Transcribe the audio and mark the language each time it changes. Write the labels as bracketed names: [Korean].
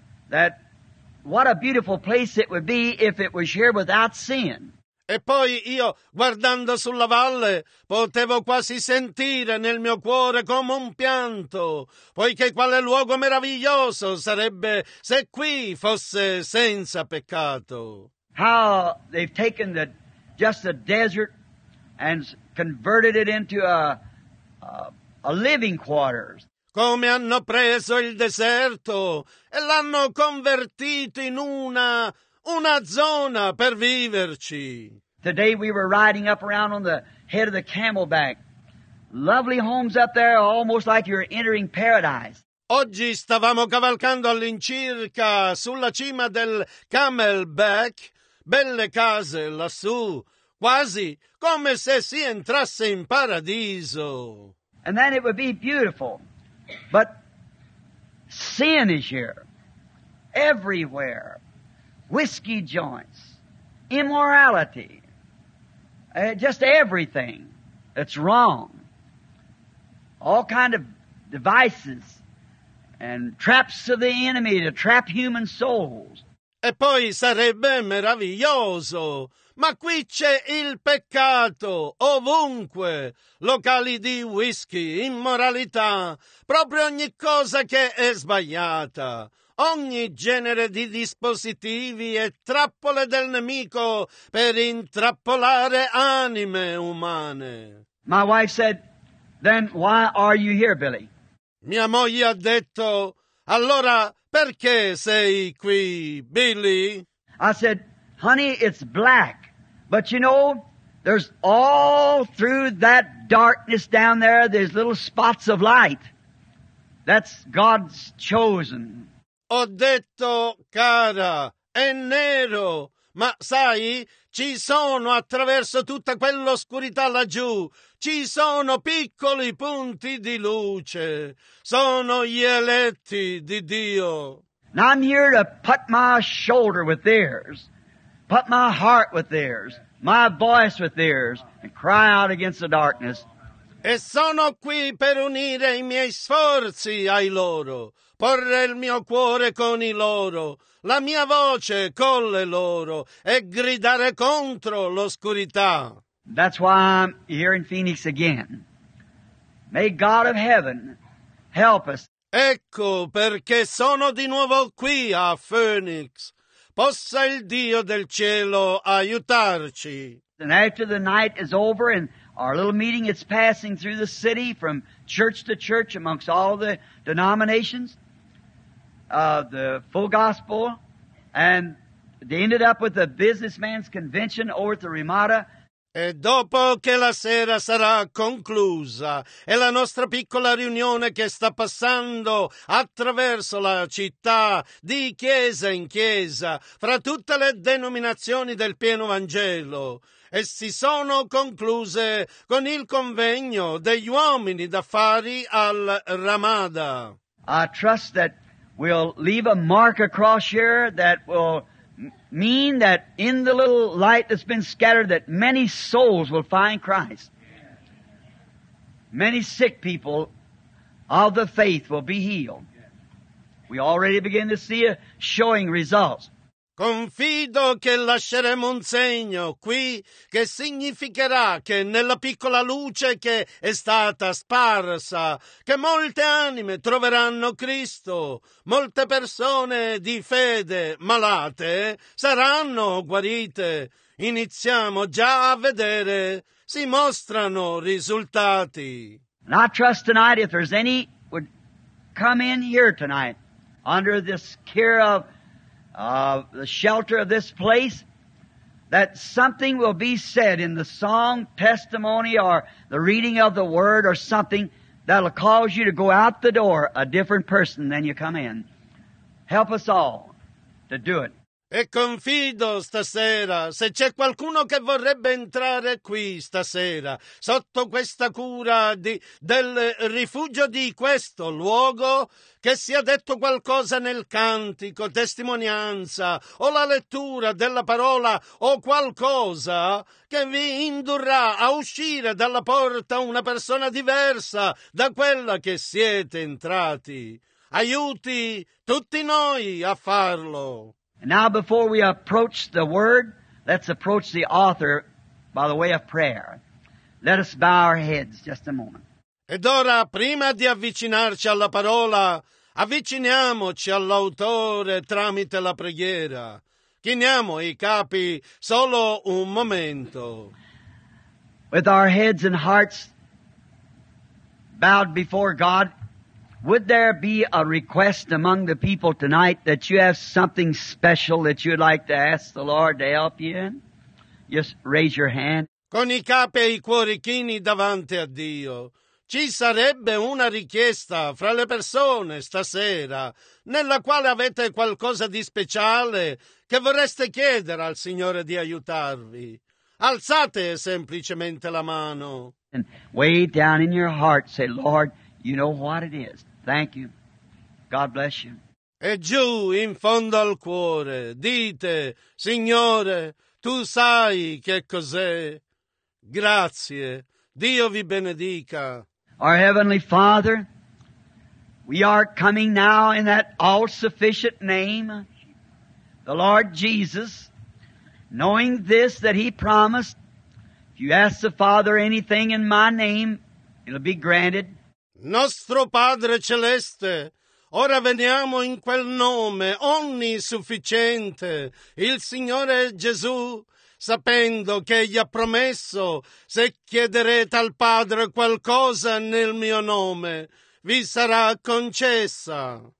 [English] That what a beautiful place it would be if it was here without sin. [Italian] E poi io, guardando sulla valle, potevo quasi sentire nel mio cuore come un pianto, poiché quale luogo meraviglioso sarebbe se qui fosse senza peccato. [English] How they've taken the just a desert and converted it into a living quarters. [Italian] Come hanno preso il deserto e l'hanno convertito in una zona per viverci. [English] Today we were riding up around on the head of the Camelback. Lovely homes up there, almost like you're entering paradise. [Italian] Oggi stavamo cavalcando all'incirca sulla cima del Camelback. Belle case lassù, quasi come se si entrasse in paradiso. [English] And then it would be beautiful. But sin is here. Everywhere. Whiskey joints. Immorality. Just everything that's wrong. All kind of devices and traps of the enemy to trap human souls. [Italian] E poi sarebbe meraviglioso. Ma qui c'è il peccato, ovunque, locali di whisky, immoralità, proprio ogni cosa che è sbagliata, ogni genere di dispositivi e trappole del nemico per intrappolare anime umane. [English] My wife said, then why are you here, Billy? [Italian] Mia moglie ha detto, allora perché sei qui, Billy? [English] I said, honey, it's black. But you know, There's all through that darkness down there, there's little spots of light. That's God's chosen. [Italian] Ho detto, cara, è nero, ma sai, ci sono attraverso tutta quell'oscurità laggiù, ci sono piccoli punti di luce, sono gli eletti di Dio. [English] Now I'm here to put my shoulder with theirs, put my heart with theirs, my voice with theirs, and cry out against the darkness. [Italian] E sono qui per unire i miei sforzi ai loro, porre il mio cuore con i loro, la mia voce con le loro, e gridare contro l'oscurità. [English] That's why I'm here in Phoenix again. May God of heaven help us. [Italian] Ecco perché sono di nuovo qui a Phoenix. Possa il Dio del cielo aiutarci. [English] And after the night is over and our little meeting is passing through the city from church to church amongst all the denominations of the full gospel, and they ended up with a businessman's convention over at the Ramada. [Italian] E dopo che la sera sarà conclusa e la nostra piccola riunione che sta passando attraverso la città di chiesa in chiesa fra tutte le denominazioni del pieno Vangelo, e si sono concluse con il convegno degli uomini d'affari al Ramada. [English] I trust that we'll leave a mark across here that will mean that in the little light that's been scattered, that many souls will find Christ. Many sick people of the faith will be healed. We already begin to see showing results. [Italian] Confido che lasceremo un segno qui che significherà che nella piccola luce che è stata sparsa, che molte anime troveranno Cristo, molte persone di fede malate saranno guarite. Iniziamo già a vedere, si mostrano risultati. [English] And I trust tonight if there's any would come in here tonight under this care of the shelter of this place, that something will be said in the song, testimony, or the reading of the word, or something that'll cause you to go out the door a different person than you come in. Help us all to do it. [Italian] E confido stasera, se c'è qualcuno che vorrebbe entrare qui stasera, sotto questa cura del rifugio di questo luogo, che sia detto qualcosa nel cantico, testimonianza, o la lettura della parola, o qualcosa che vi indurrà a uscire dalla porta una persona diversa da quella che siete entrati. Aiuti tutti noi a farlo. [English] Now before we approach the word, let's approach the author by the way of prayer. Let us bow our heads just a moment. [Italian] Ed ora, prima di avvicinarci alla parola, avviciniamoci all'autore tramite la preghiera. Chiniamo i capi solo un momento. [English] With our heads and hearts bowed before God, would there be a request among the people tonight that you have something special that you'd like to ask the Lord to help you in? Just raise your hand. [Italian] Con i capi e i cuori chini davanti a Dio, ci sarebbe una richiesta fra le persone stasera nella quale avete qualcosa di speciale che vorreste chiedere al Signore di aiutarvi? Alzate semplicemente la mano. [English] And way down in your heart, say, Lord, you know what it is. Thank you. God bless you. [Italian] E giù in fondo al cuore, dite, Signore, tu sai che cos'è. Grazie. Dio vi benedica. [English] Our Heavenly Father, we are coming now in that all-sufficient name, the Lord Jesus, knowing this, that He promised, if you ask the Father anything in my name, it'll be granted. [Italian] Nostro Padre Celeste, ora veniamo in quel nome onnisufficiente, il Signore Gesù, sapendo che Egli ha promesso, se chiederete al Padre qualcosa nel mio nome, vi sarà concessa.